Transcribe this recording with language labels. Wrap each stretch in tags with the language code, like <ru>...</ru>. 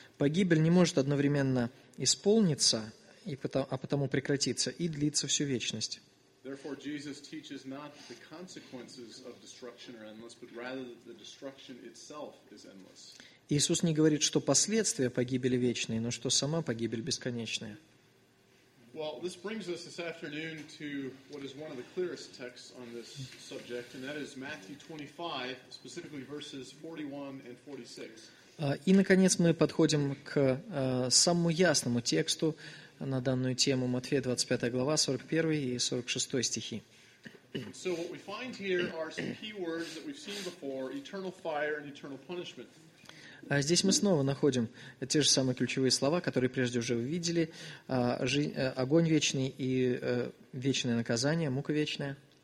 <ru>Погибель не может одновременно исполниться, а потому прекратиться, и длиться всю вечность. Иисус не говорит, что последствия погибели вечные, но что сама погибель бесконечная.</ru> <en>Well, this brings us this afternoon to what is one of the clearest texts on this subject, and that is Matthew 25, specifically verses 41 and 46.</en> <ru>И, наконец, мы подходим к самому ясному тексту на данную тему, Матфея 25 глава, 41 и 46 стихи.</ru> <en>So what we find here are some key words that we've seen before, eternal fire and eternal punishment.</en> <ru>Здесь мы снова находим те же самые ключевые слова, которые прежде уже вы видели. Огонь вечный и вечное наказание, мука вечная.</ru>